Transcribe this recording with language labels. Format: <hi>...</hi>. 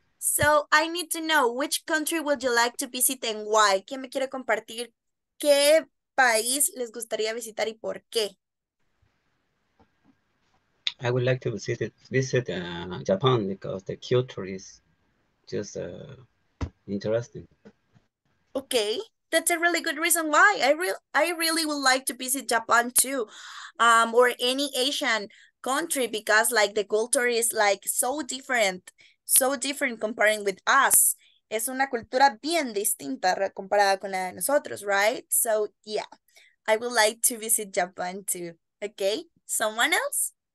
<en>So I need to know, which country would you like to visit and why?</en> <es>¿Quién me quiere compartir qué país les gustaría visitar y por qué?</es> <en>I would like to visit Japan because the culture is just interesting. Okay, that's a really good reason why. I really would like to visit Japan too, or any Asian country, because like the culture is like so different comparing with us.</en> <es>Es una cultura bien distinta comparada con la de nosotros,</es> <en>right? So yeah, I would like to visit Japan too. Okay, someone else?</en>